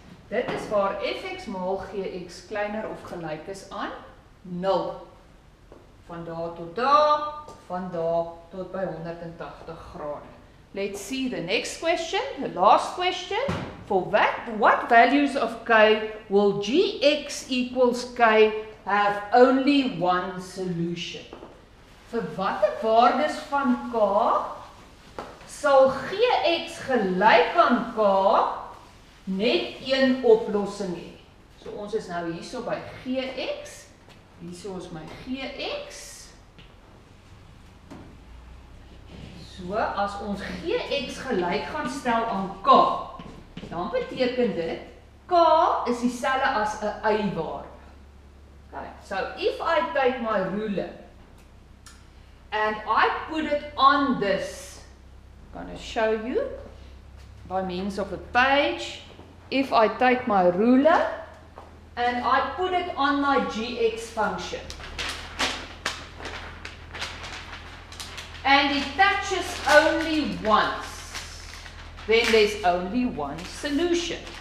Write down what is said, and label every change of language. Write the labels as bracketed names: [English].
[Afrikaans] Dit is waar fx maal gx kleiner of gelijk is aan 0. Van daar tot daar, van daar tot by 180 grade. [English] Let's see the next question, the last question. For what values of k will gx equals k have only one solution? Vir watter waardes van k sal gx gelyk aan k net een oplossing hê? [Afrikaans] So ons is nou hierso by gx, hierso is my gx. So as ons gx gelyk gaan stel aan k, dan beteken dit k is dieselfde as 'n y waarde. [English] So if I take my ruler and I put it on this, I'm going to show you by means of a page. If I take my ruler and I put it on my gx function and it touches only once, then there's only one solution.